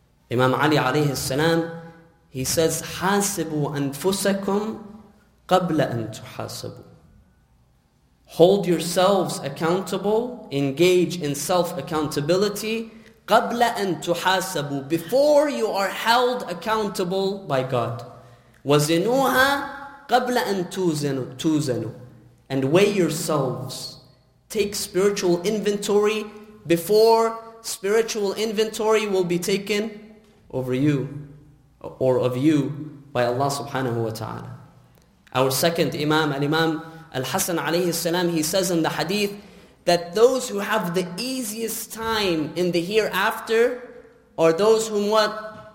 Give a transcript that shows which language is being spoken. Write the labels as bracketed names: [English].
[English] Imam Ali alayhi salam, he says, [Arabic] حَاسِبُوا أَنفُسَكُمْ قَبْلَ أَن تُحَاسَبُوا. [English] Hold yourselves accountable, engage in self-accountability, [Arabic] قَبْلَ أَن تُحَاسَبُوا, [English] before you are held accountable by God. [Arabic] وَزِنُوهَا قَبْلَ أَن تُوزَنُوا, [English] and weigh yourselves. Take spiritual inventory before spiritual inventory will be taken over you or of you by Allah subhanahu wa ta'ala. Our second Imam, Al-Imam Al-Hasan alayhi salam, he says in the hadith that those who have the easiest time in the hereafter are those whom what?